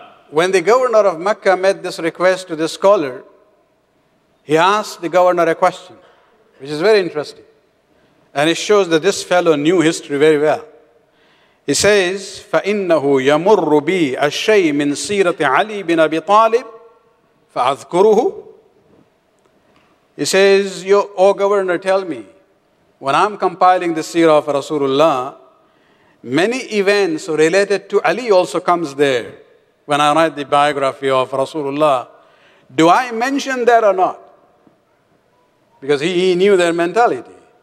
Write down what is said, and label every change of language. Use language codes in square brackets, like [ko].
[en] when the governor of Mecca made this request to the scholar, he asked the governor a question, which is very interesting. And it shows that this fellow knew history very well. He says, [ar] فَإِنَّهُ يَمُرُّ بِي أَشَّيْ مِنْ سِيرَةِ عَلِي بِنْ أَبِي طَالِبِ فَأَذْكُرُهُ. [en] He says, O governor, tell me, when I'm compiling the seerah of Rasulullah, many events related to Ali also comes there when I write the biography of Rasulullah. Do I mention that or not? Because he knew their mentality.